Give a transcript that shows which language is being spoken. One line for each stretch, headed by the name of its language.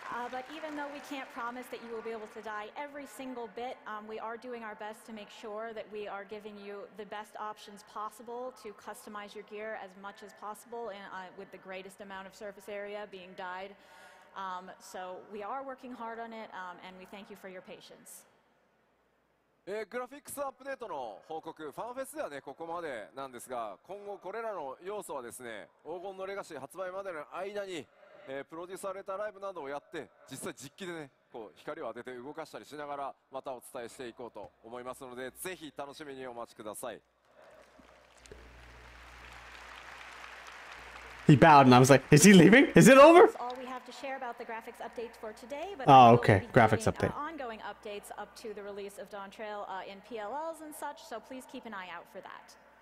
English: But even though we can't promise that you will be able to dye every single bit, we are doing our best to make sure that we are giving you the best options possible to customize your gear as much as possible and with the greatest amount of surface area being dyed. So we are working hard on it, and we thank you for your patience.
Japanese: Graphics update の報告、Fanfest ではね、ここまでなんですが、今後これらの要素はですね、黄金のレガシー発売までの間に、プロデュースされたライブなどをやって、実際実機でね、こう光を当てて動かしたりしながら、またお伝えしていこうと思いますので、ぜひ楽しみにお待ちください。
English: He bowed and I was like, is he leaving? Is it over? That's all we have to share about the graphics updates for today. But oh, okay. Graphics update. Ongoing updates up to the release of Dawn Trail in PLLs and such, so please keep an eye out for that.